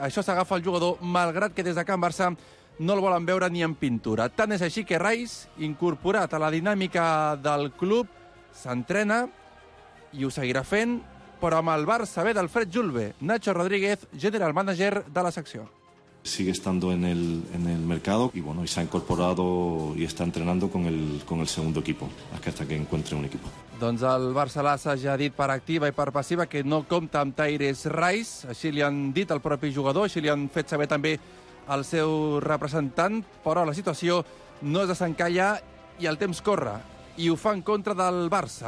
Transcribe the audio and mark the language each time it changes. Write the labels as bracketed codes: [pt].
[ca] Això s'agafa al jugador, malgrat que des de Can Barça no el volen veure ni en pintura. Tant és així que Rice, incorporat a la dinàmica del club, s'entrena i ho seguirà fent, però amb el Barça ve d'Alfred Julve, Nacho Rodríguez, general manager de la secció. [es] Sigue estando en el mercado y bueno, y se ha incorporado y está entrenando con el segundo equipo hasta que encuentre un equipo. [ca] Doncs el Barça Lassa ja ha dit per activa i per passiva que no compta amb Tyrese Rice, així li han dit el propi jugador, així li han fet saber també el seu representant, però la situació no es desencalla i el temps corre, i ho fa en contra del Barça.